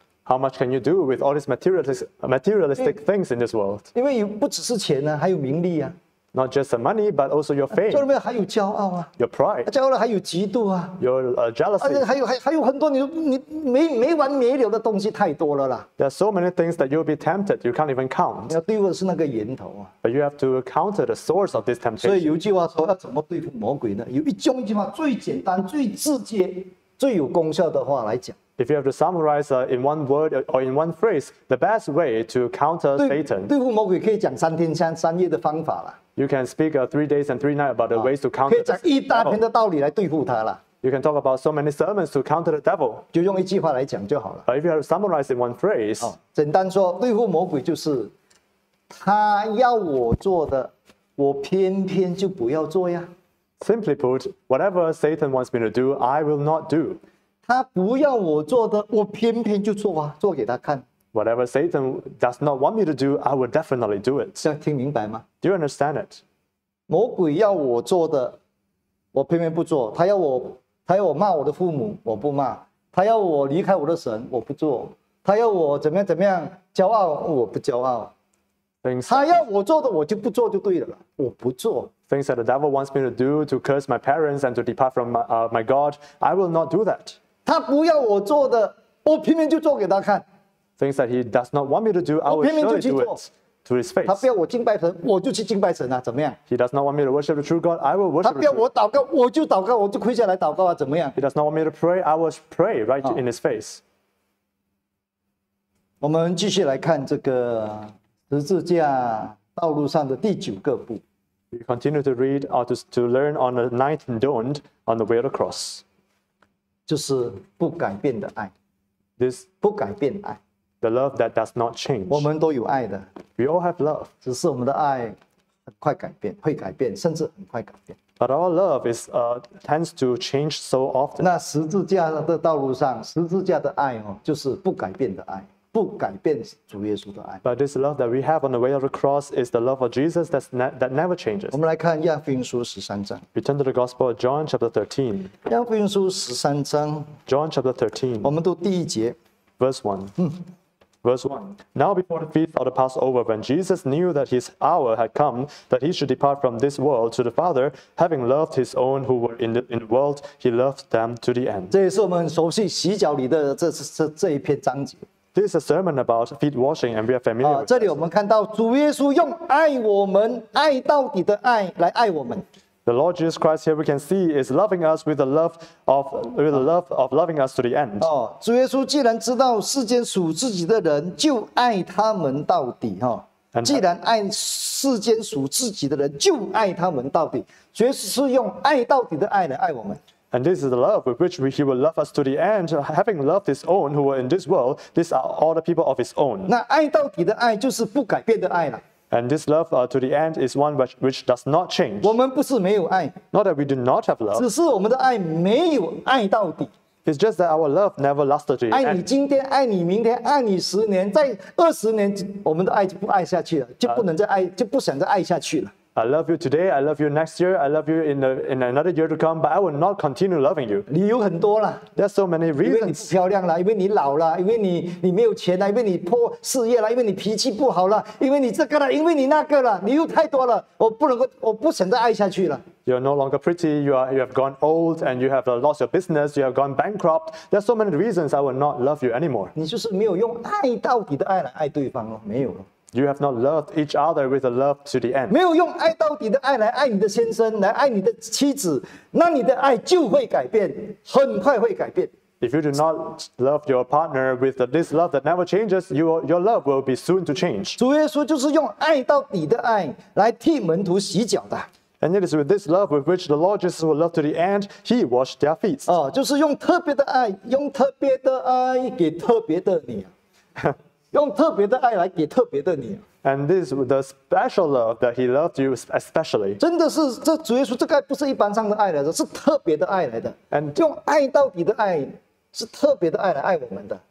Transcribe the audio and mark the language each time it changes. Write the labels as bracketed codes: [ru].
[en] How much can you do with all these materialistic things in this world? [zh] 因为不只是钱啊，还有名利啊。 [en] Not just the money, but also your fame. [zh] 这里面还有骄傲啊。 [en] Your pride. [zh] 骄傲了还有嫉妒啊。 [en] Your jealousy. [zh] 而且还有很多你没完没了的东西太多了啦。 [en] There are so many things that you'll be tempted. You can't even count. [zh] 要对付的是那个源头啊。 [en] But you have to counter the source of this temptation. [zh] 所以有句话说，要怎么对付魔鬼呢？有一种句话最简单、最直接、最有功效的话来讲。 [en] If you have to summarize in one word or in one phrase, the best way to counter Satan. [zh] 对付魔鬼可以讲三天三夜的方法啦。 [en] You can speak three days and three nights about the ways to counter the devil. [zh] 可以讲一大篇的道理来对付他了。 [en] You can talk about so many sermons to counter the devil. [zh] 就用一句话来讲就好了。 [en] But if you have to summarize in one phrase, [zh] 简单说，对付魔鬼就是他要我做的，我偏偏就不要做呀。 [en] Simply put, whatever Satan wants me to do, I will not do. [zh] 他不要我做的，我偏偏就做啊，做给他看。 [en] Whatever Satan does not want me to do, I will definitely do it. [zh] 这样听明白吗？ [en] Do you understand it? [zh] 魔鬼要我做的，我偏偏不做。他要我骂我的父母，我不骂。他要我离开我的神，我不做。他要我怎么样骄傲，我不骄傲。 [en] Things. [zh] 他要我做的，我就不做就对了，我不做。 [en] Things that the devil wants me to do to curse my parents and to depart from my God, I will not do that. [zh] 他不要我做的，我偏偏就做给他看。 [en] Things that he does not want me to do, I will surely do it to his face. [zh] 他不要我敬拜神，我就去敬拜神啊，怎么样？ [en] He does not want me to worship the true God, I will worship. [zh] 他不要我祷告，我就祷告，我就跪下来祷告啊，怎么样？ [en] He does not want me to pray, I will pray right in his face. [zh] 我们继续来看这个十字架道路上的第九个步。 [en] We continue to read or to learn on the ninth don't on the way of the cross. [zh] 就是不改变的爱。 [en] This [zh] 不改变爱。 [en] The love that does not change. [zh] 我们都有爱的。 [en] We all have love. [zh] 只是我们的爱很快改变，会改变，甚至很快改变。 [en] But our love is tends to change so often. [zh] 那十字架的道路上，十字架的爱就是不改变的爱，不改变主耶稣的爱。 [en] But this love that we have on the way of the cross is the love of Jesus that never changes. [zh] 我们来看亚福音书十三章。 [en] We turn to the Gospel of John chapter 13. [zh] 亚福音书十三章。 [en] John chapter 13. [zh] 我们读第一节。 [en] Verse 1. Verse 1. Now before the feast of the Passover, when Jesus knew that his hour had come, that he should depart from this world to the Father, having loved his own who were in the world, he loved them to the end. [zh] 这也是我们熟悉洗脚里的 这一篇章节。 [en] This is a sermon about feet washing, and we are familiar with it. [zh] 这里我们看到主耶稣用爱我们，爱到底的爱来爱我们。 [en] The Lord Jesus Christ here we can see is loving us with the love of loving us to the end. [zh] 主耶稣既然知道世间属自己的人，就爱他们到底。既然爱世间属自己的人，就爱他们到底。主耶稣是用爱到底的爱来爱我们。 [en] And this is the love with which he will love us to the end. Having loved his own who were in this world, these are all the people of his own. [zh] 那爱到底的爱就是不改变的爱了。 [en] And this love to the end is one which does not change. [zh] 我们不是没有爱。 [en] Not that we do not have love. [zh] 只是我们的爱没有爱到底。 [en] It's just that our love never lasted to the end. [zh] 爱你今天，爱你明天，爱你十年，在二十年，我们的爱就不爱下去了，就不能再爱，就不想再爱下去了。 [en] I love you today. I love you next year. I love you in another year to come. But I will not continue loving you. [zh] 理由很多了。 [en] There's so many reasons. [zh] 因为你漂亮了，因为你老了，因为你没有钱了，因为你破事业了，因为你脾气不好了，因为你这个了，因为你那个了，理由太多了，我不想再爱下去了。 [en] You're no longer pretty. You have gone old, and you have lost your business. You have gone bankrupt. There's so many reasons I will not love you anymore. [zh] 你就是没有用爱到底的爱来爱对方了，没有了。 [en] You have not loved each other with a love to the end. [zh] 没有用爱到底的爱来爱你的先生，来爱你的妻子，那你的爱就会改变，很快会改变。 [en] If you do not love your partner with this love that never changes, your love will be soon to change. [zh] 主耶稣就是用爱到底的爱来替门徒洗脚的。 [en] And it is with this love with which the Lord Jesus will love to the end, he washed their feet. [zh] 就是用特别的爱，用特别的爱给特别的你，用特别的爱来给特别的你。 [en] And this is the special love that he loved you especially. [zh] 真的是这主耶稣这个爱不是一般上的爱来的，是特别的爱来的。 [en] And [zh] 用爱到底的爱，是特别的爱来爱我们的。